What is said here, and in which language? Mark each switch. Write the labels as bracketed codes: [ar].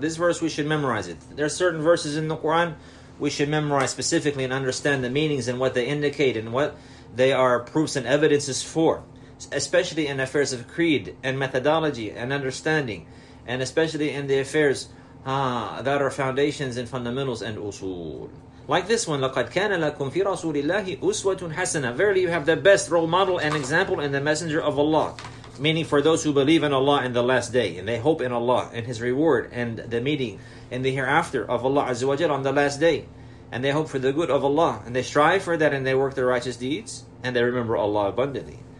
[en] This verse, we should memorize it. There are certain verses in the Quran we should memorize specifically and understand the meanings and what they indicate and what they are proofs and evidences for, especially in affairs of creed and methodology and understanding, and especially in the affairs that are foundations and fundamentals and usul. Like this one, [ar] لَقَدْ كَانَ لَكُمْ فِي رَسُولِ اللَّهِ أُسْوَةٌ حَسَنَةٌ. [en] Verily, you have the best role model and example in the Messenger of Allah. Meaning for those who believe in Allah in the last day, and they hope in Allah and His reward and the meeting in the hereafter of Allah Azza wa Jal on the last day. And they hope for the good of Allah, and they strive for that, and they work their righteous deeds, and they remember Allah abundantly.